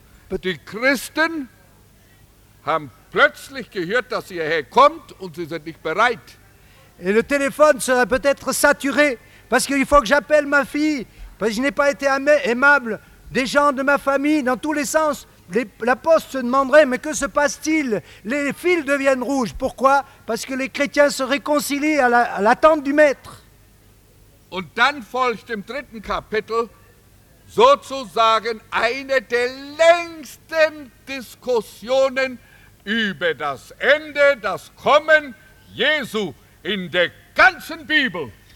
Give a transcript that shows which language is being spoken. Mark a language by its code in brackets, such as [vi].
[de] Die Christen haben plötzlich gehört, dass ihr Herr kommt und sie sind nicht bereit. [fr] Et le téléphone serait peut-être saturé, parce qu'il faut que j'appelle ma fille, parce que je n'ai pas été aimable, des gens de ma famille, dans tous les sens. La poste se demanderait, mais que se passe-t-il? Les fils deviennent rouges, pourquoi? Parce que les chrétiens se réconcilient à l'attente du maître. [de] Und dann folgt im dritten Kapitel sozusagen eine der längsten Diskussionen über das Ende, das Kommen Jesu in der ganzen Bibel.